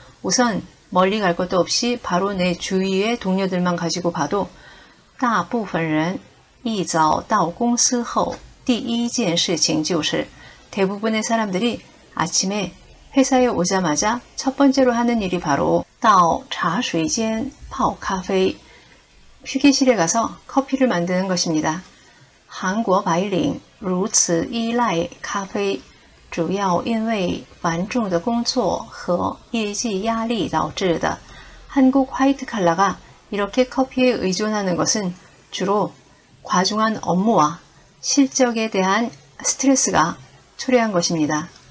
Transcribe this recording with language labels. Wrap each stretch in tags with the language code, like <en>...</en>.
<ko>우선 멀리 갈 것도 없이 바로 내 주위의 동료들만 가지고 봐도</ko> <zh>大部分人一早到公司后第一件事情就是.</zh> <ko>대부분의 사람들이 아침에 회사에 오자마자 첫 번째로 하는 일이 바로</ko> <zh>到茶水间泡咖啡.</zh> <ko>휴게실에 가서 커피를 만드는 것입니다.</ko> <zh>한국白领如此依赖咖啡主要因为繁重的工作和业绩压力导致的.</zh> <ko>한국 화이트 칼라가 이렇게 커피에 의존하는 것은 주로 과중한 업무와 실적에 대한 스트레스가 초래한 것입니다.</ko>